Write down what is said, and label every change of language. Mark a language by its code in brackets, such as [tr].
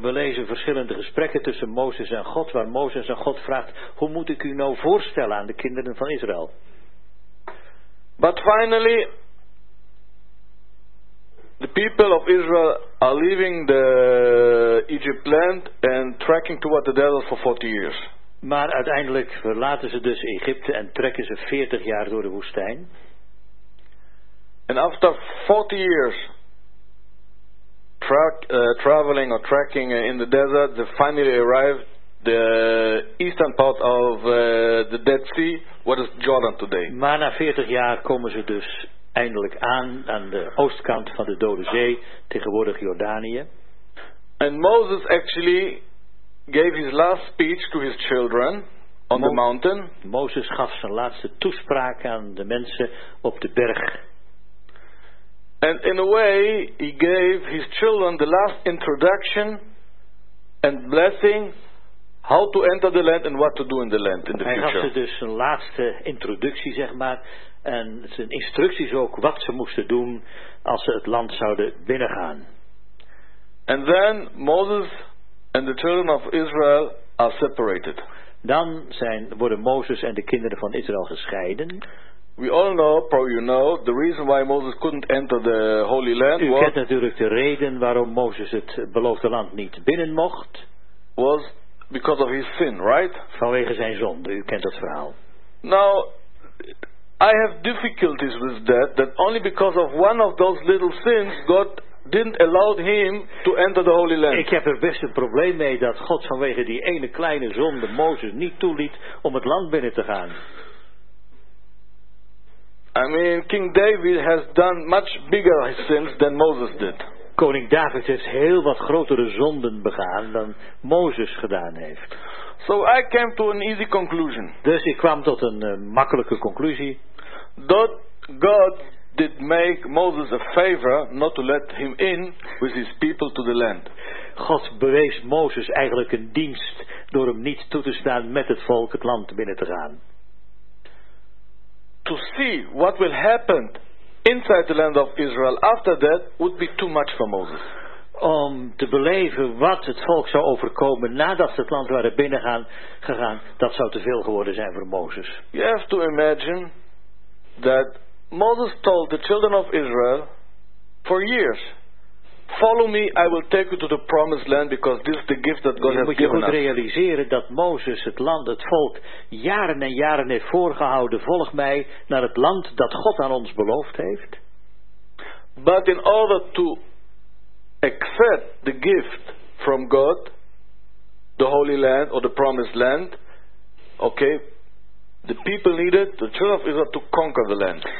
[nl] We lezen verschillende gesprekken tussen Moses en God, waar Moses aan God vraagt, hoe moet ik u nou voorstellen aan de kinderen van Israël? [en] But finally, the people of Israel are leaving the Egypt land and trekking toward the desert for 40 years. [nl] Maar uiteindelijk verlaten ze dus Egypte en trekken ze 40 jaar door de woestijn. [en] And after 40 years traveling or trekking in the desert, they finally arrived the eastern part of the Dead Sea, what is Jordan today. [nl] Maar na 40 jaar komen ze dus eindelijk aan de oostkant van de Dode Zee, tegenwoordig Jordanië. [en] And Moses actually gave his last speech to his children on the mountain. [nl] Moses gaf zijn laatste toespraak aan de mensen op de berg. [en] And in a way he gave his children the last introduction and blessing how to enter the land and what to do in the land in the future. [nl] Hij gaf ze dus zijn laatste introductie, zeg maar, en zijn instructies ook wat ze moesten doen als ze het land zouden binnengaan. [en] And then Moses and the children of Israel are separated. [nl] Dan worden Mozes en de kinderen van Israël gescheiden. [en] We all know, probably you know, the reason why Moses couldn't enter the Holy Land was. [nl] U kent natuurlijk de reden waarom Mozes het beloofde land niet binnen mocht. [en] Was because of his sin, right? [nl] Vanwege zijn zonde. U kent dat verhaal. [en] Now, I have difficulties with that only because of one of those little sins God didn't allow him to enter the Holy Land. [nl] Ik heb er best een probleem mee dat God vanwege die ene kleine zonde Mozes niet toeliet om het land binnen te gaan. [en] I mean, King David has done much bigger sins than Moses did. [nl] Koning David heeft heel wat grotere zonden begaan dan Mozes gedaan heeft. [en] So I came to an easy conclusion. [nl] Dus ik kwam tot een makkelijke conclusie. [en] That God did make Moses a favor not to let him in with his people to the land. [nl] God bewees Mozes eigenlijk een dienst door hem niet toe te staan met het volk het land binnen te gaan. [en] To see what will happen inside the land of Israel after that would be too much for Moses. [nl] Om te beleven wat het volk zou overkomen nadat ze het land waren binnengegaan, dat zou te veel geworden zijn voor Mozes. [en] You have to imagine that Moses told the children of Israel for years, follow me, I will take you to the promised land because this is the gift that God has given us. [nl] Je moet goed realiseren dat Mozes het land, het volk, jaren en jaren heeft voorgehouden, volg mij naar het land dat God aan ons beloofd heeft. [en] But in order to accept the gift from God, the holy land or the promised land, okay, the people needed, the children of Israel, to conquer the land.